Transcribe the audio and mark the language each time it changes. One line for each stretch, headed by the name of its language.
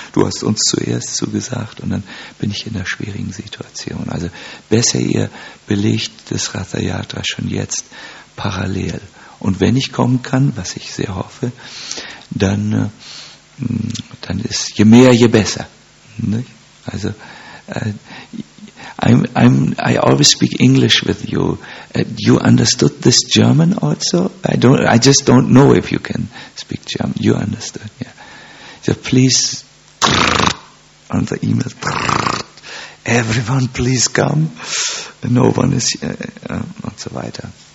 German: Du hast uns zuerst zugesagt und dann bin ich in einer schwierigen Situation. Also besser ihr belegt das Ratha Yatra schon jetzt parallel. Und wenn ich kommen kann, was ich sehr hoffe, dann ist je mehr, je besser.
English: Also I always speak English with you. You understood this German also? I just don't know if you can speak German. You understood, yeah. So please, on the email, everyone please come. No one is here,
German: und so weiter.